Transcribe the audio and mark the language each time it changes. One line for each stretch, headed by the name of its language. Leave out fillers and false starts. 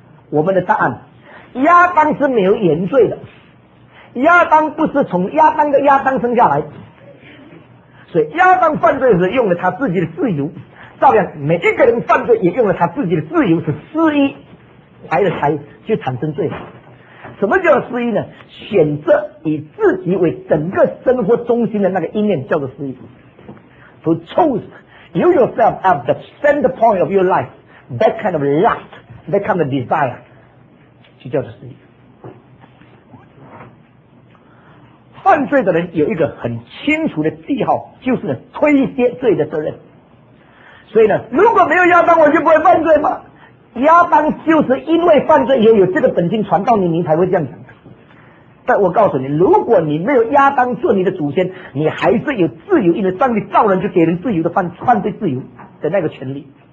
Chinese: 我们的答案，亚当是没有原罪的，亚当不是从亚当的亚当生下来，所以亚当犯罪时用了他自己的自由，照样每一个人犯罪也用了他自己的自由，是失意怀了才去产生罪。什么叫失意呢？选择以自己为整个生活中心的那个意念叫做失意。
English: To choose you yourself as the center point of your life, that kind of lust, that kind of desire,
Chinese: 就叫做失意。犯罪的人有一个很清楚的记号，就是推卸罪的责任。所以呢，如果没有亚当，我就不会犯罪吗？亚当就是因为犯罪以后有这个本性传到你，你才会这样想。但我告诉你，如果你没有亚当做你的祖先，你还是有自由，因为上帝造人就给人自由的犯罪自由的那个权利。